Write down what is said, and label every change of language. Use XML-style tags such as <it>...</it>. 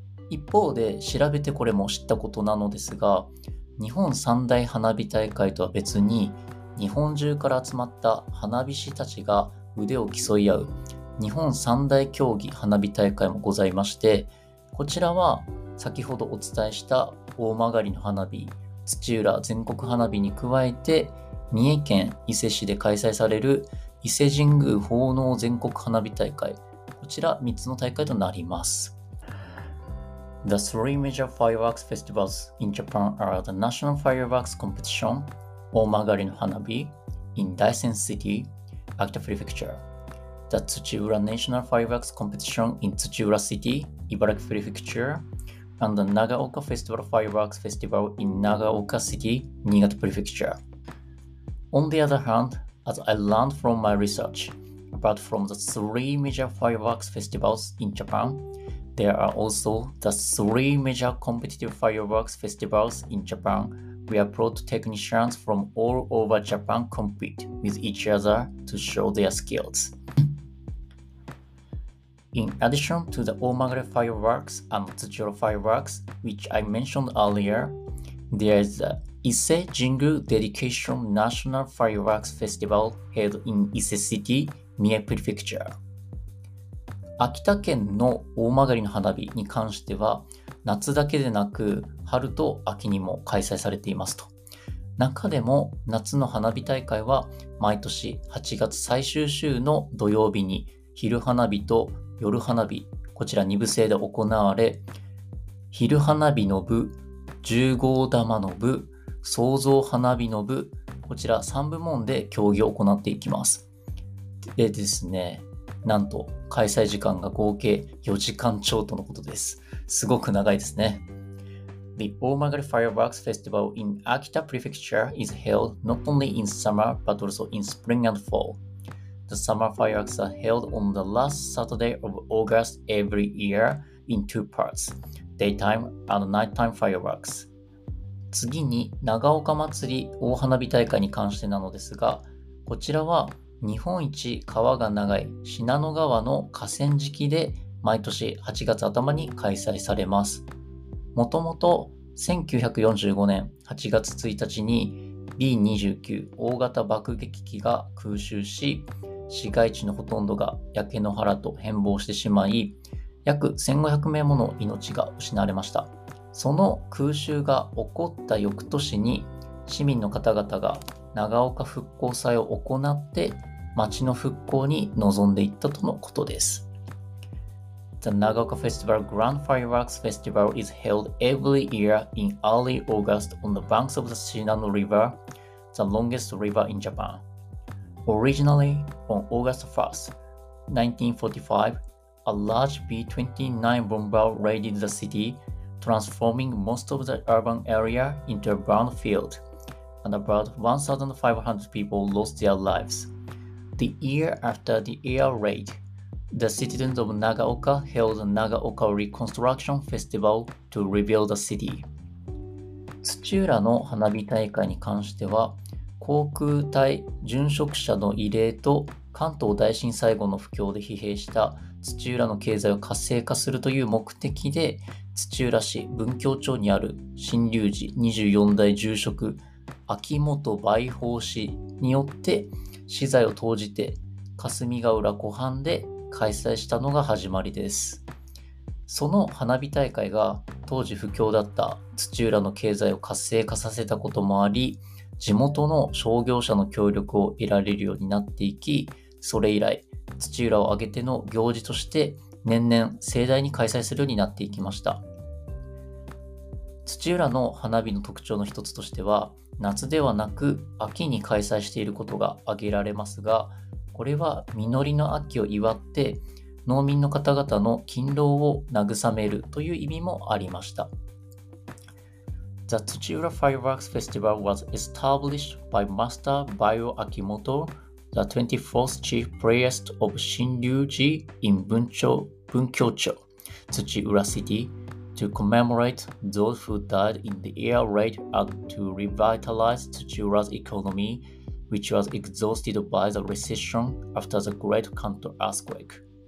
<ja>一方で調べてこれも知ったことなのですが、日本三大花火大会とは別に日本中から集まった花火師たちが腕を競い合う日本三大競技花火大会もございまして、こちらは先ほどお伝えした大曲の花火、土浦全国花火に加えて三重県伊勢市で開催される伊勢神宮奉納全国花火大会、こちら3つの大会となります。</ja> <en>The three major fireworks festivals in Japan are the National Fireworks Competition, Omagari no Hanabi in Daisen City, Akita Prefecture, the Tsuchiura National Fireworks Competition in Tsuchiura City, Ibaraki Prefecture, and the Nagaoka Festival Fireworks Festival in Nagaoka City, Niigata Prefecture. On the other hand, as I learned from my research, apart from the three major fireworks festivals in Japan,There are also the three major competitive fireworks festivals in Japan where pro technicians from all over Japan compete with each other to show their skills. In addition to the Omagari fireworks and Tsuchiura fireworks, which I mentioned earlier, there is the Ise Jingu Dedication National Fireworks Festival held in Ise City, Mie Prefecture.</en> <ja>秋田県の大曲の花火に関しては夏だけでなく春と秋にも開催されていますと。中でも夏の花火大会は毎年8月最終週の土曜日に昼花火と夜花火、こちら2部制で行われ、昼花火の部、十五玉の部、創造花火の部、こちら3部門で競技を行っていきます。でですね、なんと開催時間が合計4時間超とのことです。すごく長いですね。</ja> <en>The Omagari Fireworks Festival in Akita Prefecture is held not only in summer but also in spring and fall. The summer fireworks are held on the last Saturday of August every year in two parts, daytime and nighttime fireworks.</en> <ja>次に長岡祭り大花火大会に関してなのですが、こちらは日本一川が長い信濃川の河川敷で毎年8月頭に開催されます。もともと1945年8月1日に B-29 大型爆撃機が空襲し、市街地のほとんどが焼け野原と変貌してしまい、約1500名もの命が失われました。その空襲が起こった翌年に市民の方々が長岡復興祭を行って町の復興に臨んでいったとのことです。</ja> <en>The Nagaoka Festival Grand Fireworks Festival is held every year in early August on the banks of the Shinano River, the longest river in Japan. Originally, on August 1st, 1945, a large B-29 bomber raided the city, transforming most of the urban area into a brownfield, and about 1,500 people lost their lives. The year after the air raid,The citizens of Nagaoka held the Nagaoka Reconstruction Festival to rebuild the city.</en> <ja>土浦の花火大会に関しては、航空隊殉職者の慰霊と関東大震災後の不況で疲弊した土浦の経済を活性化するという目的で、土浦市文教町にある新龍寺24代住職秋元梅宝氏によって資材を投じて霞ヶ浦湖畔で開催したのが始まりです。その花火大会が当時不況だった土浦の経済を活性化させたこともあり、地元の商業者の協力を得られるようになっていき、それ以来土浦を挙げての行事として年々盛大に開催するようになっていきました。土浦の花火の特徴の一つとしては、夏ではなく秋に開催していることが挙げられますが、これは実りの秋を祝って農民の方々の勤労を慰めるという意味もありました。</ja> <en>The Tsuchiura Fireworks Festival was established by Master Bayo Akimoto, the 24th chief priest of Shinryuji in Bunkyocho, Tsuchiura City, to commemorate those who died in the air raid and to revitalize Tsuchiura's economy,which was exhausted by the recession after the Great Kanto earthquake.</en>